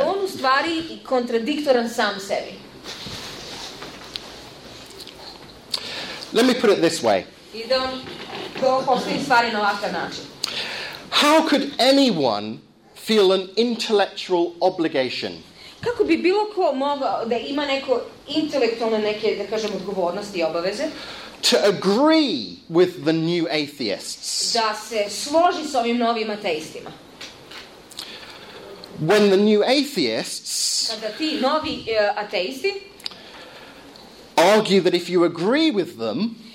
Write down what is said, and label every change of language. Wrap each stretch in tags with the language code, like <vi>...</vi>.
<sr>I on u stvari kontradiktoran sam sebi.</sr> <en>Let me put it this way.</en> <sr>Idem to postavim stvari na ovakav način.</sr> <en>How could anyone feel an intellectual obligation?</en> <sr>Kako bi bilo ko mogao da ima neko intelektualno neke, da kažem, odgovornosti I obaveze?</sr> <en>To agree with the new atheists.</en> <sr>Da se složi s ovim novim ateistima.</sr> <en>When the new atheists</en> <sr>kada ti novi ateisti</sr> <en>argue that if you agree with them</en>